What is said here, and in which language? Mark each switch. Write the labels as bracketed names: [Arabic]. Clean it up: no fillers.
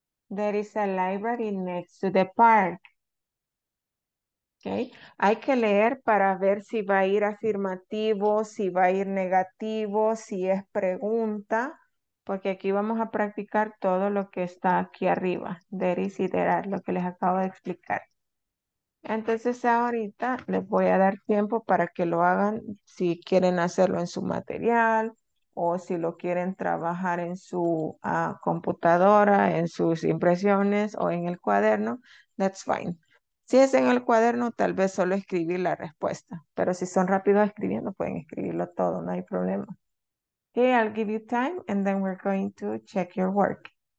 [English] There is a library next to the park. Okay. [Spanish] Hay que leer para ver si va a ir afirmativo, si va a ir negativo, si es pregunta, porque aquí vamos a practicar todo lo que está aquí arriba. There is y there are, lo que les acabo de explicar. Entonces ahorita les voy a dar tiempo para que lo hagan si quieren hacerlo en su material o si lo quieren trabajar en su computadora, en sus impresiones o en el cuaderno. [English] That's fine. [Spanish] Si es en el cuaderno, tal vez solo escribir la respuesta. Pero si son rápidos escribiendo, pueden escribirlo todo, no hay problema. [English] Okay, I'll give you time and then we're going to check your work.